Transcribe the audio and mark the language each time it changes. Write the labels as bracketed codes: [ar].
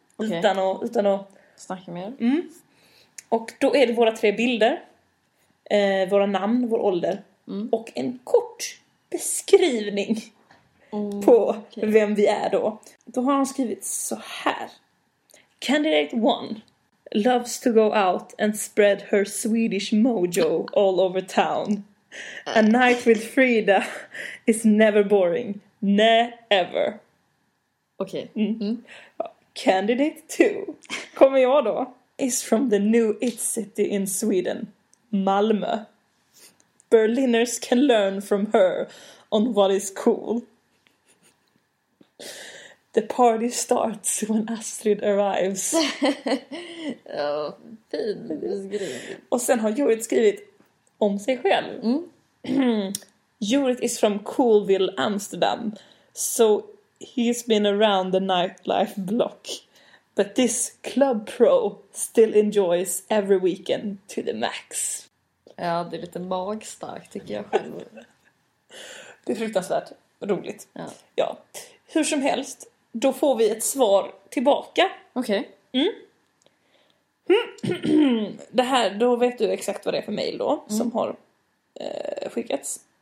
[sv] Okay. Utan att snacka mer. Mm. Och då är det våra tre bilder. Våra namn, vår ålder. Mm. Och en kort beskrivning på vem vi är då. Då har han skrivit så här. [en] Candidate 1 loves to go out and spread her Swedish mojo all over town. A night with Frida is never boring. Never. [sv] Okej. Okay. Mm. Mm. [en] Candidate 2. [sv] Kommer jag då? [en] Is from the new it city in Sweden. Malmö. Berliners can learn from her on what is cool. The party starts when Astrid arrives. [sv] Oh, fin beskrivning. Och sen har Jorit skrivit om sig själv. Mm. [en] Jorit is from Coolville, Amsterdam. So he's been around the nightlife block. But this club pro still enjoys every weekend to the max. [sv] Ja, det är lite magstarkt tycker jag själv. Det är fruktansvärt roligt. Ja. Ja. Hur som helst, då får vi ett svar tillbaka. Okej. Okay. Mm. Det här, då vet du exakt vad det är för mejl då som har skickats.